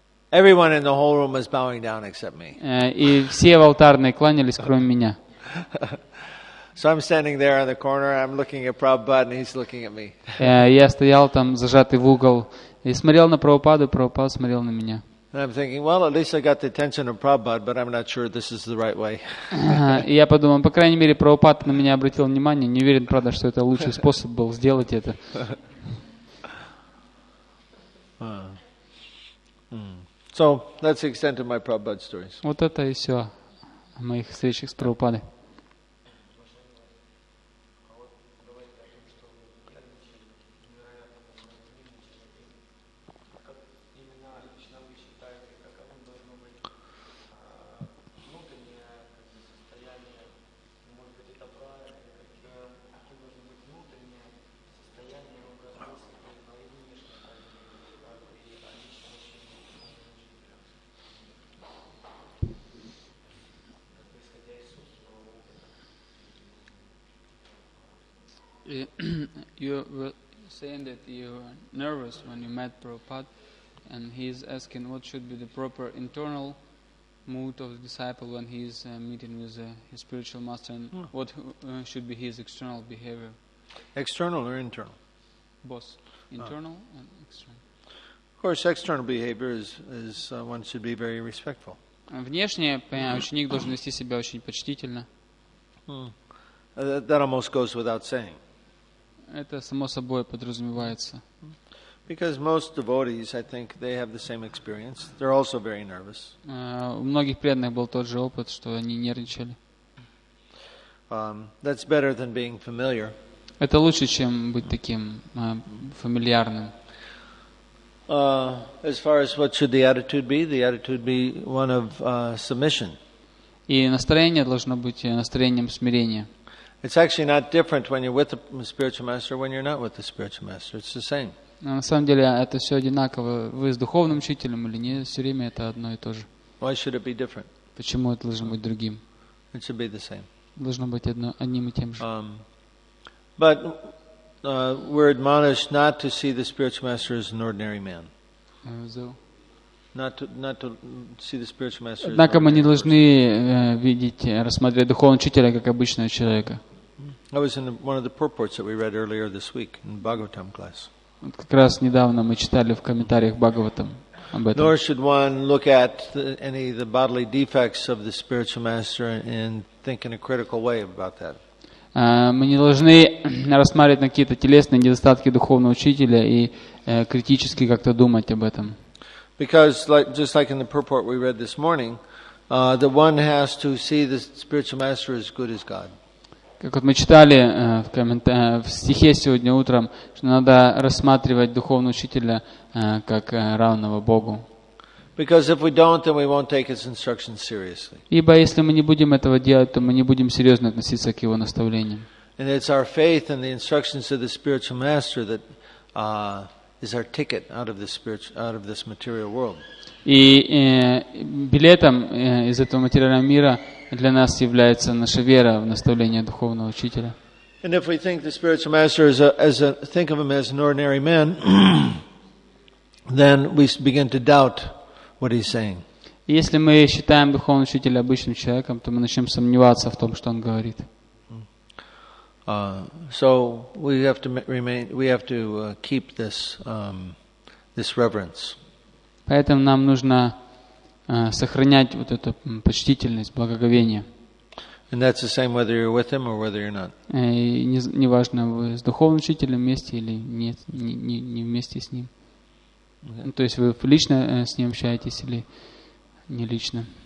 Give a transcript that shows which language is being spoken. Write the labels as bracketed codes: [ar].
[en] Everyone in the whole room was bowing down except me. [ru] И все в алтарной кланялись, кроме меня. [en] So I'm standing there in the corner. I'm looking at Prabhupada, and he's looking at me. [ru] Я стоял там, зажатый в угол, и смотрел на Прабхупаду, Прабхупад смотрел на меня. [en] And I'm thinking, well, at least I got the attention of Prabhupada, but I'm not sure this is the right way. [ru] И я подумал, по крайней мере, Прабхупад на меня обратил внимание. Не уверен, правда, что это лучший способ был сделать это. [en] So that's the extent of my Prabhupada stories. [ru] Вот это и все о моих встречах с Прабхупадой. [en] You were saying that you were nervous when you met Prabhupada, and he's asking what should be the proper internal mood of the disciple when he's meeting with his spiritual master, and what should be his external behavior. External or internal? Both. Internal and external. Of course, external behavior is one should be very respectful. [ru] Внешне, ученик должен вести себя очень почтительно. [en] That almost goes without saying. [ru] Это само собой подразумевается. [en] Because most devotees, I think, they have the same experience. They're also very nervous. [ru] У многих преданных был тот же опыт, что они нервничали. [en] That's better than being familiar. [ru] Это лучше, чем быть таким фамильярным. [en] As far as what should the attitude be one of submission. [ru] И настроение должно быть настроением смирения. [en] It's actually not different when you're with the spiritual master or when you're not with the spiritual master. It's the same. [ru] На самом деле, это все одинаково. Вы с духовным учителем или не, все время это одно и то же. [en] Why should it be different? [ru] Почему это должно быть другим? [en] It should be the same. [ru] Должно быть одним и тем же. [en] But we're admonished not to see the spiritual master as an ordinary man. Not to see the spiritual master. [ru] Однако мы не должны видеть, рассматривать духовного учителя как обычного человека. [en] That was in one of the purports that we read earlier this week in Bhagavatam class. [ru] Вот как раз недавно мы читали в комментариях Бхагаватам об этом. [en] Nor should one look at any of the bodily defects of the spiritual master and think in a critical way about that. [ru] Мы не должны рассматривать какие-то телесные недостатки духовного учителя и критически как-то думать об этом. [en] Because just like in the purport we read this morning, the one has to see the spiritual master as good as God. [ru] Как вот мы читали в стихе сегодня утром, что надо рассматривать духовного учителя как равного Богу. [en] Because if we don't, then we won't take his instructions seriously. [ru] Ибо если мы не будем этого делать, то мы не будем серьезно относиться к его наставлениям. [en] And it's our faith in the instructions of the spiritual master that is our ticket out of this material world. [ru] И билетом из этого материального мира для нас является наша вера в наставление духовного учителя. [en] And if we think the spiritual master is think of him as an ordinary man, then we begin to doubt what he's saying. [ru] Если мы считаем духовного учителя обычным человеком, то мы начнем сомневаться в том, что он говорит. [en] So we have to remain. We have to keep this this reverence. [ru] Поэтому нам нужно сохранять вот эту почтительность, благоговение. [en] And that's the same whether you're with him or whether you're not. [ru] И не важно, вы с духовным учителем вместе или нет, не вместе с ним. [en] Okay. [ru] Ну, то есть вы лично с ним общаетесь или не лично.